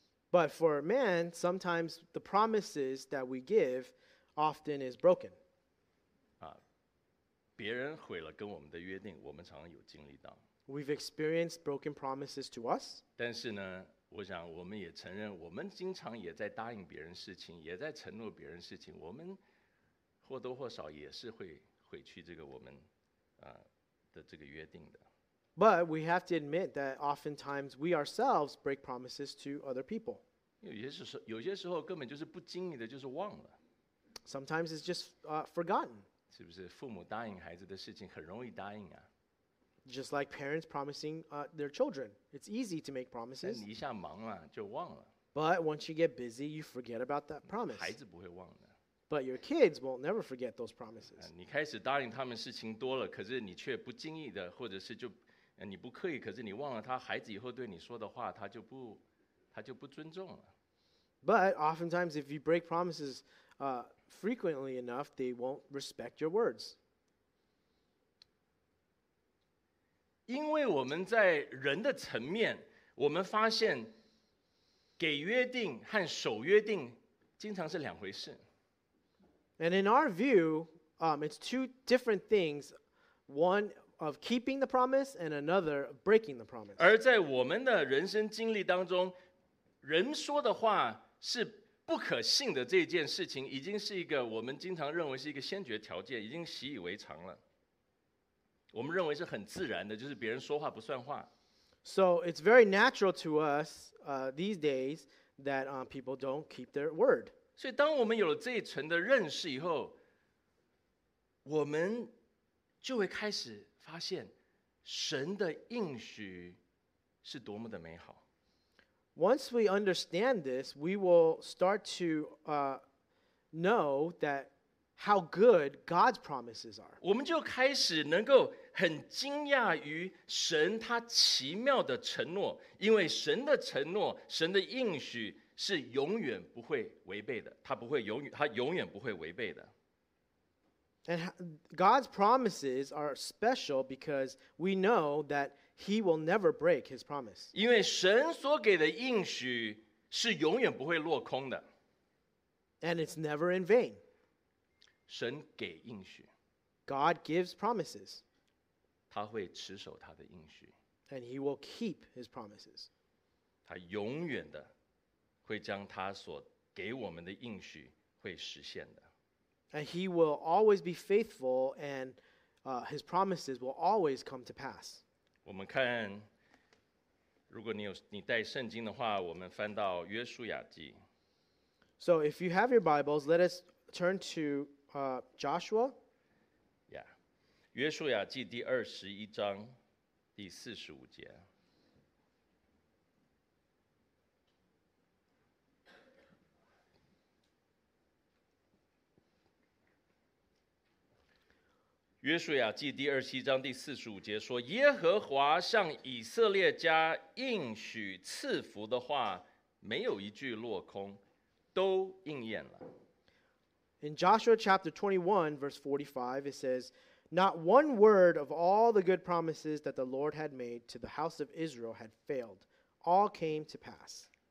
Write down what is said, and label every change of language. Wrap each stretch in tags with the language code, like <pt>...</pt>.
<en>But for a man, sometimes the promises that we give often is broken.</en> <zh>别人毁了跟我们的约定，我们常常有经历到。</zh> <en>We've experienced broken promises to us.</en> <zh>但是呢，我想我们也承认，我们经常也在答应别人事情，也在承诺别人事情，我们或多或少也是会毁去这个我们的这个约定的。</zh> <en>But we have to admit that oftentimes we ourselves break promises to other people.</en> <zh>有些时候根本就是不经意的，就是忘了。</zh> <en>Sometimes it's just forgotten.</en> <zh>是不是父母答应孩子的事情很容易答应啊？</zh> <en>Just like parents promising their children, it's easy to make promises.</en> <zh>但你一下忙了就忘了。</zh> <en>But once you get busy, you forget about that promise.</en> <zh>孩子不会忘的。</zh> <en>But your kids will never forget those promises.</en> <zh>你开始答应他们事情多了，可是你却不经意的，或者是就你不刻意，可是你忘了他孩子以后对你说的话，他就不尊重了。</zh> <en>But oftentimes, if you break promises frequently enough, they won't respect your words.</en> <zh>因为我们在人的层面，我们发现给约定和守约定经常是两回事。</zh> <en>And in our view, it's two different things, one of keeping the promise and another of breaking the promise.</en> <zh>而在我们的人生经历当中，人说的话是不可信的这件事情，已经是一个我们经常认为是一个先决条件，已经习以为常了。我们认为是很自然的，就是别人说话不算话。</zh> <en>So it's very natural to us these days that people don't keep their word.</en> <zh>所以当我们有了这一层的认识以后，我们就会开始发现神的应许是多么的美好。</zh> <en>Once we understand this, we will start to know that how good God's promises are.</en> <zh>我们就开始能够很惊讶于神他奇妙的承诺，因为神的承诺，神的应许是永远不会违背的，他永远不会违背的。</zh> <en>And God's promises are special because we know that He will never break His promise.</en> <zh>因为神所给的应许是永远不会落空的。</zh> <en>And it's never in vain.</en> <zh>神给应许。</zh> <en>God gives promises.</en> <zh>他会持守他的应许。</zh> <en>And He will keep His promises.</en> <zh>他永远的会将他所给我们的应许会实现的。</zh> <en>And He will always be faithful, and His promises will always come to pass.</en> <zh>我们看，如果你带圣经的话，我们翻到约书亚记。</zh> <en>So if you have your Bibles, let us turn to Joshua. Yeah.</en> <zh>约书亚记第二十一章第四十五节。约书亚记第二十七章第四十五节说：“耶和华向以色列家应许赐福的话，没有一句落空，都应验了。”</zh> <en>In Joshua chapter 21 verse 45, it says, "Not one word of all the good promises that the Lord had made to the house of Israel had failed; all came to pass."</en>